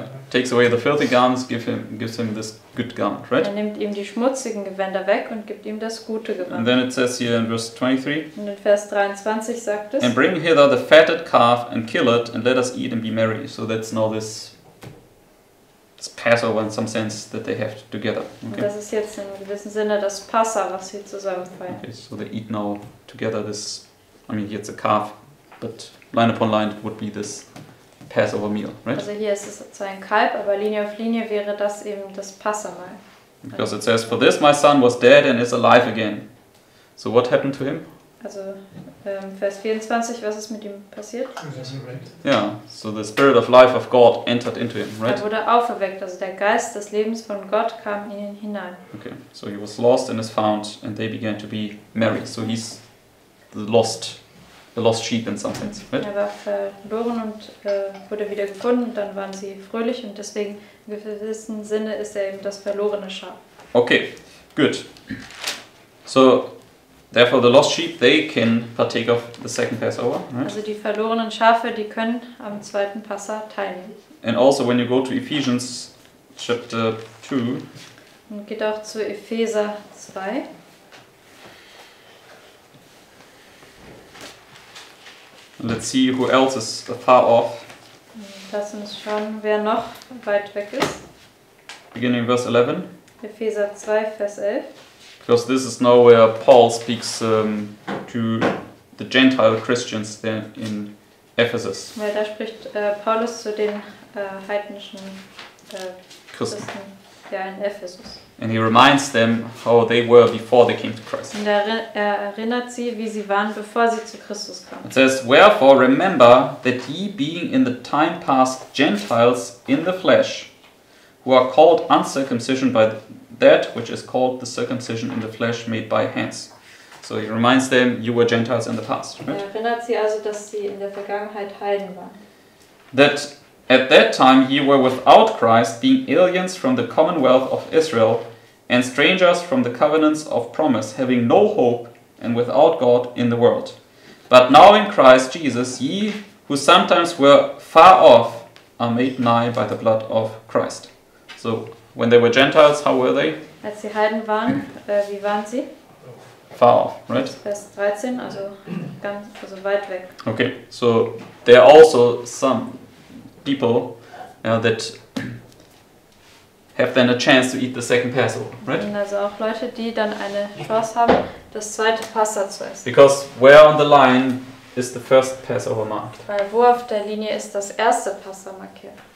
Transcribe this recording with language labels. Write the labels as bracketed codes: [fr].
[en] Takes away the filthy garments, gives him this good garment, right? [de] Er nimmt ihm die schmutzigen Gewänder weg und gibt ihm das gute Gewand. [en] And then it says here in verse 23. [de] Und in Vers 23 sagt es. [en] And bring hither the fatted calf and kill it and let us eat and be merry. So that's now this. It's Passover in some sense that they have together. Okay. [de] Das ist jetzt in gewissem Sinne das Passa, was sie zusammen feiern. [en] Okay, so they eat now together this, I mean, it's a calf, but line upon line would be this Passover meal, right? [de] Also hier ist es zwar ein Kalb, aber Linie auf Linie wäre das eben das Passa mal. [en] Because it says, for this my son was dead and is alive again. So what happened to him? [de] Also Vers 24, was ist mit ihm passiert? [en] Yeah, so the spirit of life of God entered into him, right? [de] Er wurde auferweckt, also der Geist des Lebens von Gott kam in ihn hinein. [en] Okay, so he was lost and is found and they began to be merry. So he's the lost sheep in some sense, right? [de] Er war verloren und wurde wieder gefunden und dann waren sie fröhlich und deswegen im gewissen Sinne ist er eben das verlorene Schaf. [en] Okay, good. So Therefore, the lost sheep, they can partake of the second Passover. Right? [de] Also die verlorenen Schafe, die können am zweiten Passa teilnehmen. [en] And also, when you go to Ephesians chapter 2. [de] Und geht auch zu Epheser 2. [en] Let's see who else is far off. [de] Lass uns schauen, wer noch weit weg ist. [en] Beginning verse 11. [de] Epheser 2, Vers 11. [en] Because this is now where Paul speaks to the Gentile Christians there in Ephesus. [de] Weil da spricht Paulus zu den heidnischen Christen, ja, in Ephesus. [en] And he reminds them how they were before they came to Christ. [de] Und er erinnert sie, wie sie waren, bevor sie zu Christus kamen. [en] It says, wherefore remember that ye being in the time past Gentiles in the flesh, who are called uncircumcision by that which is called the circumcision in the flesh made by hands. So he reminds them, you were Gentiles in the past. Right? [de] Er erinnert sie also, dass sie in der Vergangenheit Heiden waren. [en] That at that time ye were without Christ, being aliens from the commonwealth of Israel, and strangers from the covenants of promise, having no hope and without God in the world. But now in Christ Jesus, ye who sometimes were far off are made nigh by the blood of Christ. So, when they were Gentiles, how were they? [de] Als sie Heiden waren, wie waren sie? [en] Far off, right? [de] Vers 13, also ganz, also weit weg. [en] Okay, so there are also some people that have then a chance to eat the second Passover, right? [de] Und also auch Leute, die dann eine Chance haben, das zweite Passa zu essen. [en] Because where on the line is the first Passover marked? [de] Weil wo auf der Linie ist das erste Passa markiert?